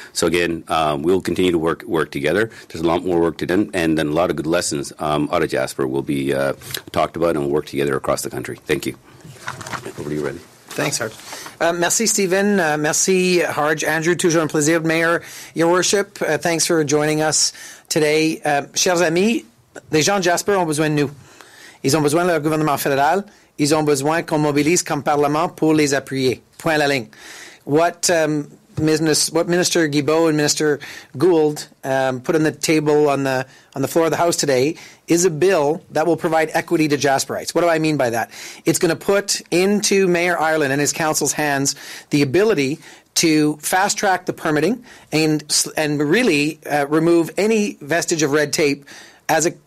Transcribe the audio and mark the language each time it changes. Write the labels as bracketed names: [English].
[English] So again, we'll continue to work together. There's a lot more work to do, and then a lot of good lessons out of Jasper will be talked about and work together across the country. Thank you. Over to you, Randy. Thanks, [French] Arch. Merci, Stephen. Merci, Arch. Andrew, toujours un plaisir. [English] Mayor, your worship, thanks for joining us today. [French] Chers amis, les gens de Jasper ont besoin de nous. Ils ont besoin de leur gouvernement fédéral. Ils ont besoin qu'on mobilise comme Parlement pour les appuyer. Point à la ligne. [English] What Minister Guilbeault and Minister Gould put on the table on the floor of the House today is a bill that will provide equity to Jasperites. What do I mean by that? It's going to put into Mayor Ireland and his council's hands the ability to fast-track the permitting and really remove any vestige of red tape as a